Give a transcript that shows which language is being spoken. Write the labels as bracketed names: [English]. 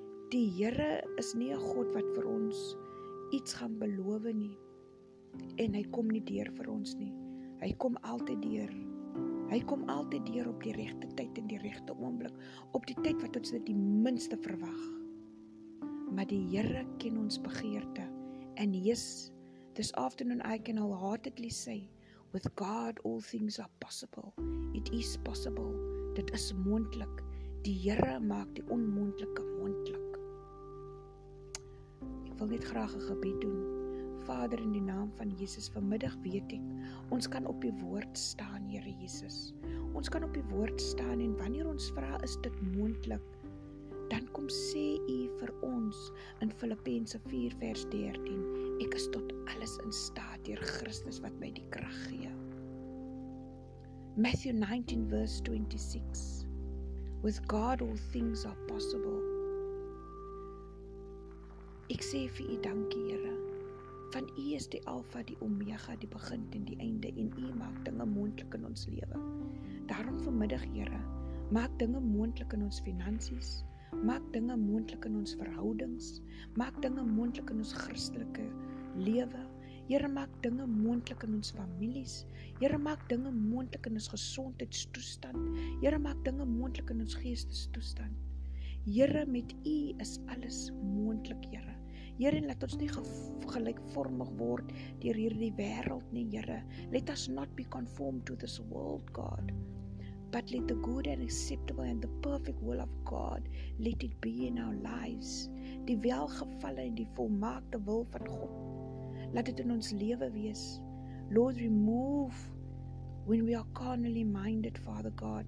[Afrikaans] Die Here is nie 'n God wat vir ons iets gaan beloof nie. En hy kom nie deur vir ons nie. Hy kom altyd deur. Hy kom altyd deur op die regte tyd en die regte oomblik. Op die tyd wat ons dit die minste verwag. Maar die Here ken ons begeerte. [English] And yes, this afternoon I can wholeheartedly say, with God all things are possible. It is possible. [Afrikaans] Dit is moontlik. Die Here maak die onmoontlike moontlik. Ek wil net graag 'n gebed doen. Vader, in die naam van Jesus, vanmiddag weet ek, ons kan op die woord staan, Here Jesus. Ons kan op die woord staan en wanneer ons vra, is dit moontlik? Dan kom sê U vir ons in Filippense 4 vers 13, ek is tot alles in staat deur Christus wat my die krag gee. [English] Matthew 19 verse 26, with God all things are possible. [Afrikaans] Ek sê vir U dankie, Here, want U is die Alfa, die Omega, die begin en die einde, en U maak dinge moontlik in ons lewe. Daarom vanmiddag, Here, maak dinge moontlik in ons finansies. Maak dinge moontlik in ons verhoudings. Maak dinge moontlik in ons Christelike lewe. Here, maak dinge moontlik in ons families. Here, maak dinge moontlik in ons gesondheidstoestand. Here, maak dinge moontlik in ons geestestoestand. Here, met U is alles moontlik, Here. Here, laat ons nie gelykvormig word deur hierdie wêreld nie, Here. [English] Let us not be conformed to this world, God. But let the good and acceptable and the perfect will of God, let it be in our lives. [Afrikaans] Die welgevalle en die volmaakte wil van God. Laat dit in ons lewe wees. [English] Lord, remove when we are carnally minded, Father God.